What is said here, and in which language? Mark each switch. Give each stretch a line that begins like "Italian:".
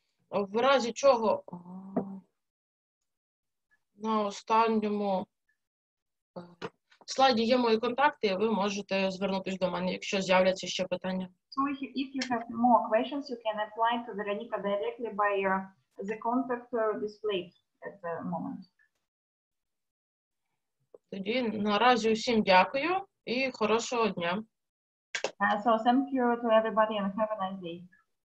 Ukrainian: В разі чого на останньому слайді є мої контакти, ви можете звернутися до мене, якщо з'являться ще питання.
English: So if you have more questions, you can apply to Veronica directly by the contact displayed at the moment.
Ukrainian: Тоді наразі усім дякую і хорошого дня.
English: So thank you to everybody and have a nice day.